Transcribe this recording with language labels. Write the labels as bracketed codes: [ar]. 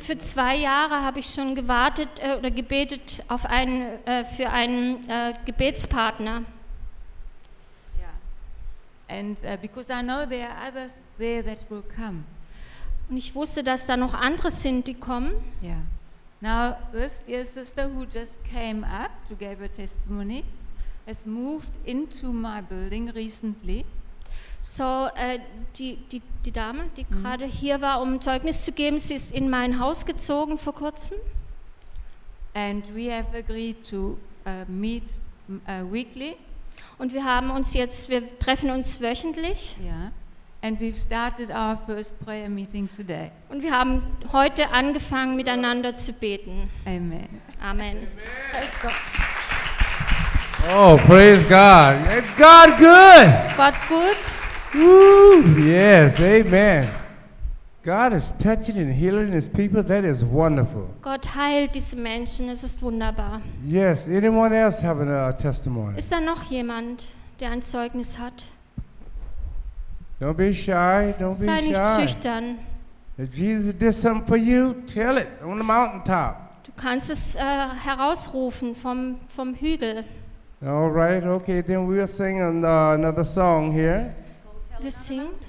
[de] Für 2 Jahre habe ich schon gewartet oder gebetet auf einen für einen Gebetspartner. Yeah. [en] And because I know there are others there that will come. [de] Und ich wusste, dass da noch andere sind, die kommen. Yeah. [en] Now, this dear sister who just came up to give her testimony has moved into my building recently. [de] So, die Dame, die gerade hier war, um Zeugnis zu geben, sie ist in mein Haus gezogen vor kurzem. [en] And we have agreed to meet weekly. [de] Und wir haben uns jetzt, wir treffen uns wöchentlich. Yeah. [en] And we've started our first prayer meeting today. [de] Und wir haben heute angefangen, miteinander zu beten. Amen. Amen. [en] Oh, praise God. God good. [de] Ist Gott gut? [en] Woo, yes, amen. God is touching and healing his people. That is wonderful. [de] Gott heilt diese Menschen. Es ist wunderbar. [en] Yes, anyone else having a testimony? [de] Ist da noch jemand, der ein Zeugnis hat? [en] Don't be shy. Don't [de] Sei [en] be shy. [de] Sei nicht schüchtern. [en] If Jesus did something for you, tell it on the mountaintop. [de] Du kannst es herausrufen vom Hügel. [en] All right. Okay. Then we'll sing another song here. [de] Wir singen.